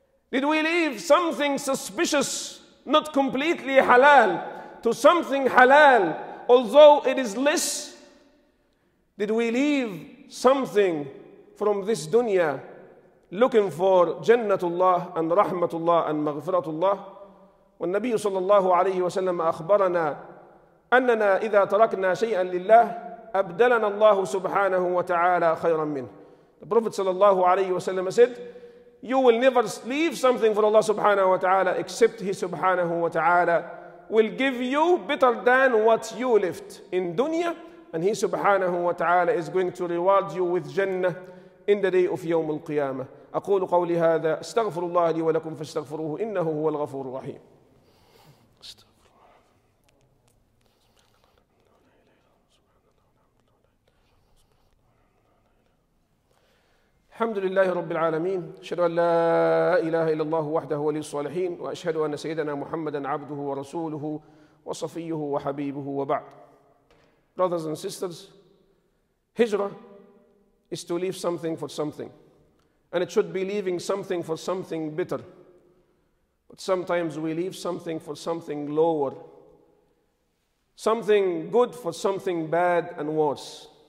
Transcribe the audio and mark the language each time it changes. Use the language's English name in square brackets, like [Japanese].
[English] Did we leave something suspicious, not completely halal, to something halal, although it is less? Did we leave something from this dunya looking for Jannatullah and Rahmatullah and Maghfiratullah? [Arabic] When Nabi sallallahu alayhi wa sallam akhbarana أننا إذا تركنا شيئا لله أبدلنا الله سبحانه وتعالى خيرا منه. [English] The Prophet [Arabic] صلى الله عليه وسلم [English] said, "You will never leave something for Allah سبحانه وتعالى except He سبحانه وتعالى will give you better than what you left in dunya, and He سبحانه وتعالى is going to reward you with Jannah in the day of يوم القيامة." [Arabic] أقول قولي هذا استغفر الله لي ولكم فاستغفروه إنه هو الغفور الرحيم. الحمد لله رب العالمين أشهد أن لا إله إلا الله وحده ولي الصالحين وأشهد أن سيدنا محمدًا عبده ورسوله وصفيه وحبيبه وبعد. [English] Brothers and sisters, hijra is to leave something for something, and it should be leaving something for something better. But sometimes we leave something for something lower, something good for something bad and worse.